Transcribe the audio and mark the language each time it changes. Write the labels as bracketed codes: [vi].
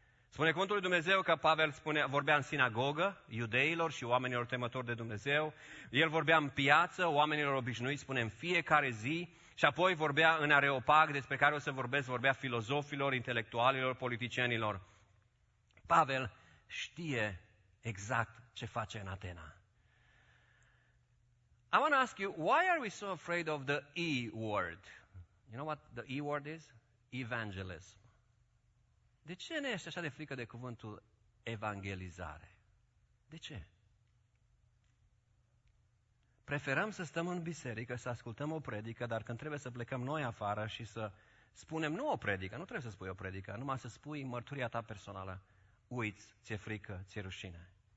[ro] Spune cuvântul lui Dumnezeu că Pavel spune, vorbea în sinagogă, iudeilor și oamenilor temători de Dumnezeu. El vorbea în piață, oamenilor obișnuiți, spune, în fiecare zi. Și apoi vorbea în Areopag, despre care o să vorbesc, vorbea filozofilor, intelectualilor, politicienilor. Pavel știe exact ce face în Atena. [en] I want to ask you, why are we so afraid of the E word? You know what the E word is? Evangelism. [ro] De ce ne ești așa de frică de cuvântul evangelizare? De ce? Preferăm să stăm în biserică, să ascultăm o predică, dar când trebuie să plecăm noi afară și să spunem, nu o predică, nu trebuie să spui o predică, numai să spui mărturia ta personală, uiți, ți-e frică, ți-e rușine.